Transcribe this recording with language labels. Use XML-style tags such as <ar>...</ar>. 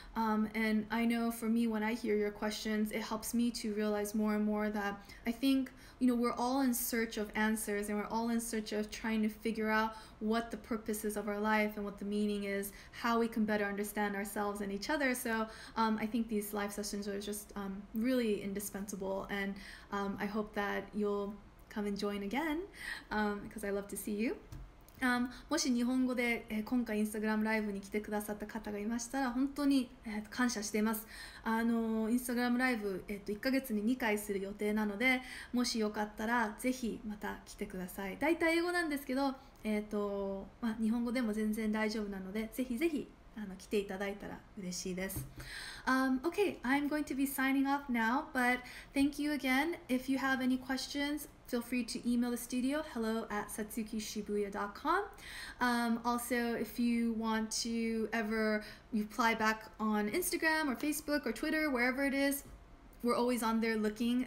<en>And I know for me, when I hear your questions, it helps me to realize more and more that I think, you know, we're all in search of answers, and we're all in search of trying to figure out what the purpose is of our life and what the meaning is, how we can better understand ourselves and each other. So I think these live sessions are just really indispensable, and I hope that you'll come and join again, because I love to see you.</en> <ja>もし日本語で今回インスタグラムライブに来てくださった方がいましたら本当に感謝しています。インスタグラムライブ1ヶ月に2回する予定なので、もしよかったらぜひまた来てください。だいたい英語なんですけど、日本語でも全然大丈夫なので、ぜひぜひ来ていただいたら嬉しいです。</ja> <en>Okay, I'm going to be signing off now, but thank you again. If you have any questions,feel free to email the studio, hello@satsukishibuya.com. Also, if you want to ever reply back on Instagram or Facebook or Twitter, wherever it is, we're always on there looking.</en>